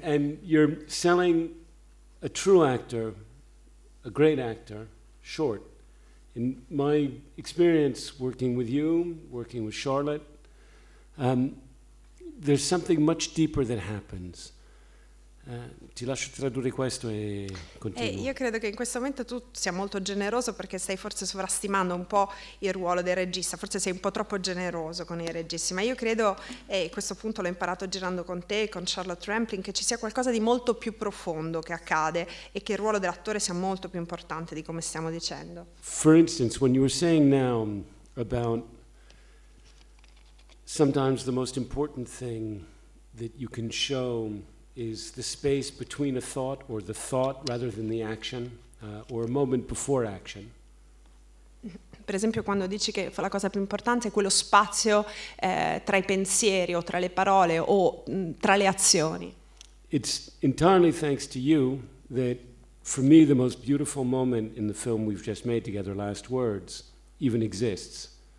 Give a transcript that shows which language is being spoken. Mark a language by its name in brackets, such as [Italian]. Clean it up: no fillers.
[English] and you're selling a true actor, a great actor, short. In my experience working with you, working with Charlotte, there's something much deeper that happens. [Italian] Ti lascio tradurre questo e continuo. Io credo che in questo momento tu sia molto generoso perché stai forse sovrastimando un po' il ruolo del regista, forse sei un po' troppo generoso con i registi, ma io credo, e questo punto l'ho imparato girando con te e con Charlotte Rampling, che ci sia qualcosa di molto più profondo che accade e che il ruolo dell'attore sia molto più importante di come stiamo dicendo. [English] For instance, when you were saying now about sometimes the most important thing that you can show is the space between a thought or the thought rather than the action or a moment before action. [Italian] Per esempio, quando dici che la cosa più importante è quello spazio tra i pensieri o tra le parole o tra le azioni. [English] It's entirely thanks to you that for me the most beautiful moment in the film we've just made together, Last Words, even exists.